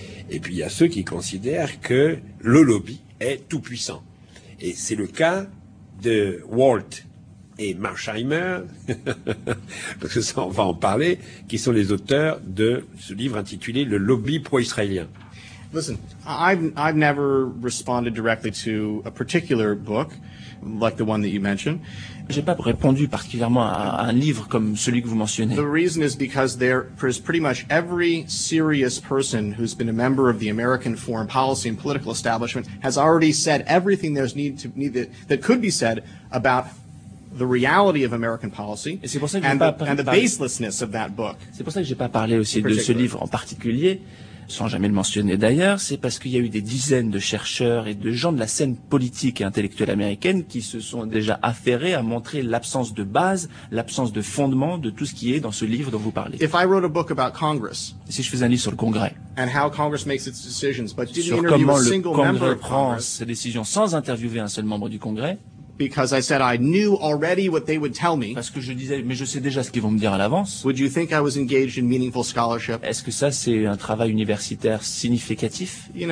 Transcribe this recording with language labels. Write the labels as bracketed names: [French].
[French] Et puis il y a ceux qui considèrent que le lobby est tout puissant. Et c'est le cas de Walt et Mearsheimer, parce que ça, on va en parler, qui sont les auteurs de ce livre intitulé Le lobby pro-israélien. [English] Listen, I've never responded directly to a particular book like the one that you mentioned. [French] J'ai pas répondu particulièrement à un livre comme celui que vous mentionnez. [English] The reason is because there is pretty much every serious person who's been a member of the American foreign policy and political establishment has already said everything there's that could be said about the reality of American policy and the baselessness of that book. [French] C'est pour ça que j'ai pas parlé aussi de ce livre en particulier, sans jamais le mentionner d'ailleurs. C'est parce qu'il y a eu des dizaines de chercheurs et de gens de la scène politique et intellectuelle américaine qui se sont déjà affairés à montrer l'absence de base, l'absence de fondement de tout ce qui est dans ce livre dont vous parlez. [English] If I wrote a book about Congress, [French] si je faisais un livre sur le Congrès, [English] and how Congress makes its decisions, but didn't [French] sur comment le Congrès prend ses décisions sans interviewer un seul membre du Congrès, [English] because I said I knew already what they would tell me. [French] Parce que je disais, mais je sais déjà ce qu'ils vont me dire à l'avance. [English] Would you think I was engaged in meaningful scholarship? [French] Est-ce que ça c'est un travail universitaire significatif?